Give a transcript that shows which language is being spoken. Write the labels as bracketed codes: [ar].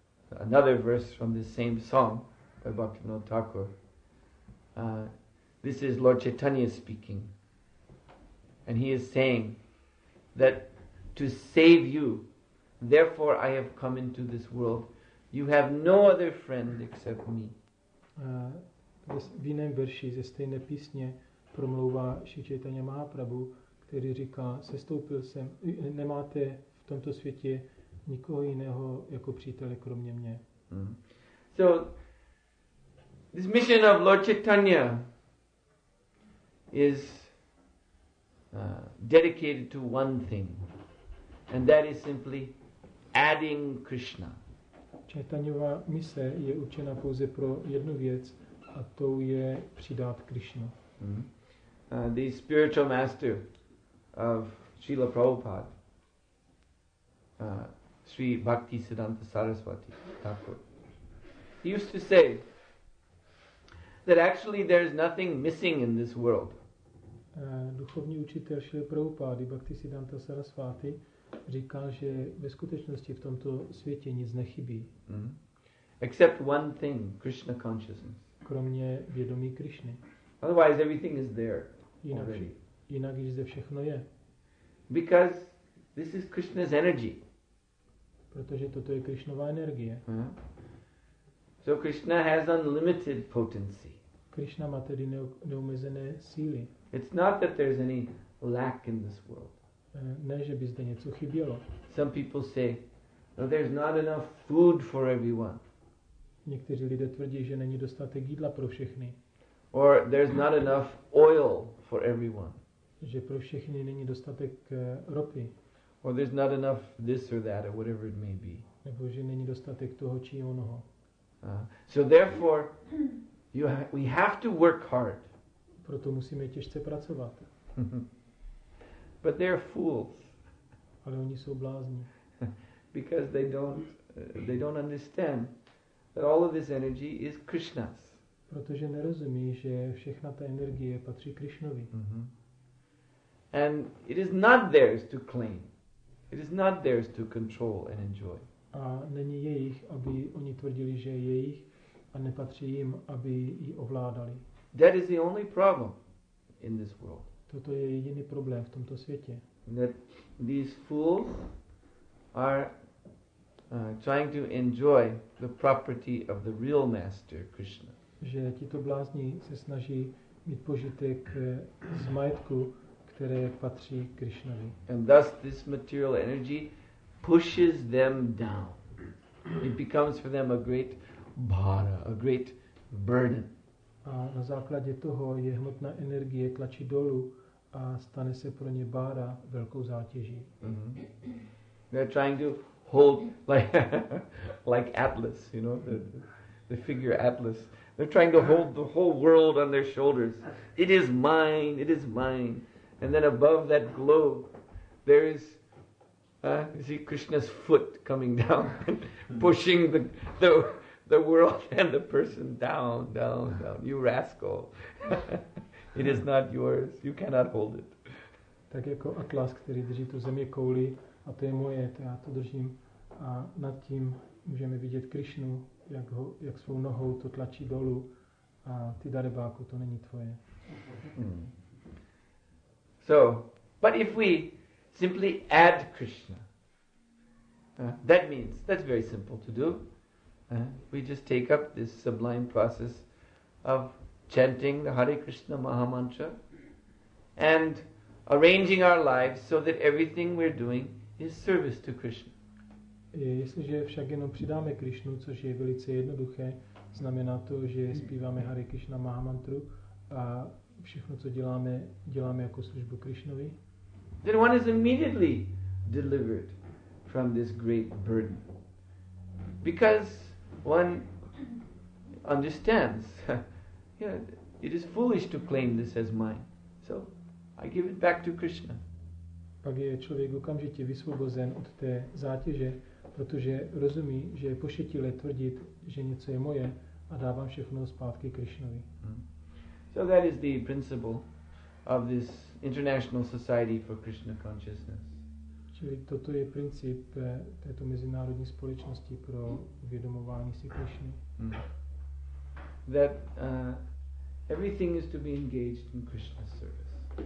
[en] Another verse from this same song by Bhaktivinoda Thakur. This is Lord Chaitanya speaking. And he is saying that to save you, therefore I have come into this world. You have no other friend except me. [cs] V jiném verši ze stejné písně promlouvá Sri Chaitanya Mahaprabhu, který říká, sestoupil jsem, nemáte v tomto světě nikoho jiného jako přítele kromě mě. [en] So this mission of Lord Chaitanya is dedicated to one thing, and that is simply adding Krishna. [cs] Chaitanyova mise je určena pouze pro jednu věc, a to je přidat Krishna. [en] The spiritual master of Srila Prabhupada Sri Bhakti Siddhanta Saraswati Thakur. He used to say that actually there is nothing missing in this world. [cs] Duchovní učitel Šrila Prabhupády Bhakti Siddhanta Saraswati říkal, že ve skutečnosti v tomto světě nic nechybí. [en] Except one thing, Krishna consciousness. [cs] Kromě vědomí Krishny. [en] Otherwise everything is there. [cs] Jinak již zde všechno je. [en] Because this is Krishna's energy. [cs] Protože toto je Krishnova energie. [en] So Krishna has unlimited potency. [cs] Krishna má tedy neomezené síly. [en] It's not that there's any lack in this world. [cs] Ne, že by zde něco chybělo. [en] Some people say, well, there's not enough food for everyone. [cs] Někteří lidé tvrdí, že není dostatek jídla pro všechny. [en] Or there's not enough oil for everyone. [cs] Že pro všechny není dostatek ropy. [en] Or there's not enough this or that or whatever it may be. [cs] Nebo že není dostatek toho či onoho. [en] So therefore, we have to work hard. [cs] Proto musíme těžce pracovat. [en] But they're fools. [cs] Ale oni jsou blázni. [en] Because they don't understand that all of this energy is Krishna's. [cs] Protože nerozumí, že všechna ta energie patří Krishnovi. [en] And it is not theirs to claim. It is not theirs to control and enjoy. [cs] A není jejich, aby oni tvrdili, že je jejich, a nepatří jim, aby ji ovládali. [en] That is the only problem in this world. [cs] Toto je jediný problém v tomto světě. [en] That these fools are trying to enjoy the property of the real master Krishna. [cs] Že tito blázni se snaží mít požitek z majetku, které patří Krishnovi. [en] And thus this material energy pushes them down. It becomes for them a great bhara, a great burden. [cs] A na základě toho je hmotná energie tlačí dolů a stane se pro ně bára velkou zátěží. [en] They're trying to hold like Atlas, you know, the figure Atlas. They're trying to hold the whole world on their shoulders. It is mine, it is mine. And then above that globe, there is you see Krishna's foot coming down, pushing the world and the person down, down, down. You rascal. It is not yours. You cannot hold it. [cs] Tak jako Atlas, který drží tu zemi kouli, a to je moje, to já to držím. A nad tím můžeme vidět Krishnu, jak svou nohou to tlačí dolů. A ty darebáku, to není tvoje. [en] So, but if we simply add Krishna, that means, that's very simple to do. We just take up this sublime process of chanting the Hare Krishna Maha Mantra and arranging our lives so that everything we're doing is service to Krishna. [cs] Jestliže však jenom přidáme Krishnu, což je velice jednoduché, znamená to, že zpíváme Hare Krishna Maha Mantru a všechno, co děláme jako službu Krishnovi. [en] Then one is immediately delivered from this great burden. Because one understands, it is foolish to claim this as mine. So I give it back to Krishna. [cs] Pak je člověk okamžitě vysvobozen od té zátěže, protože rozumí, že je pošetilé tvrdit, že něco je moje, a dávám všechno zpátky Krishnovi. [en] So that is the principle of this International Society for Krishna Consciousness. [cs] Čili toto je princip této mezinárodní společnosti pro uvědomování si Krishny. [en] That everything is to be engaged in Krishna's service.